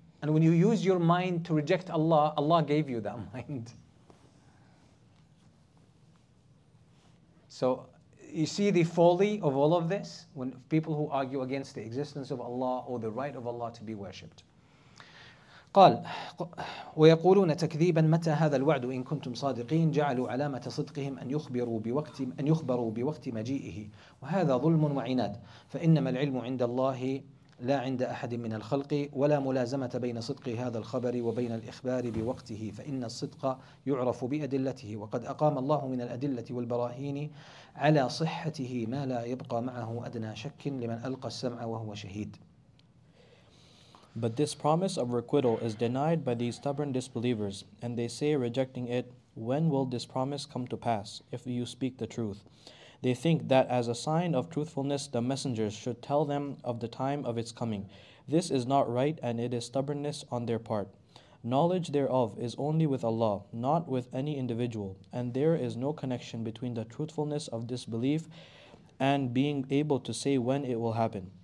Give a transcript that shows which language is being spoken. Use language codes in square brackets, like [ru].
[en] And when you use your mind to reject Allah, Allah gave you that mind. So you see the folly of all of this? When people who argue against the existence of Allah or the right of Allah to be worshipped. [ar] قال ويقولون تكذيبا متى هذا الوعد إن كنتم صادقين جعلوا علامة صدقهم أن يخبروا بوقت مجيئه وهذا ظلم وعناد فإنما العلم عند الله لا عند أحد من الخلق ولا ملازمة بين صدق هذا الخبر وبين الإخبار بوقته فإن الصدق يعرف بأدلته وقد أقام الله من الأدلة والبراهين على صحته ما لا يبقى معه أدنى شك لمن ألقى السمع وهو شهيد. [en] But this promise of requital is denied by these stubborn disbelievers, and they say, rejecting it, when will this promise come to pass, if you speak the truth? They think that as a sign of truthfulness, the messengers should tell them of the time of its coming. This is not right, and it is stubbornness on their part. Knowledge thereof is only with Allah, not with any individual, and there is no connection between the truthfulness of disbelief and being able to say when it will happen.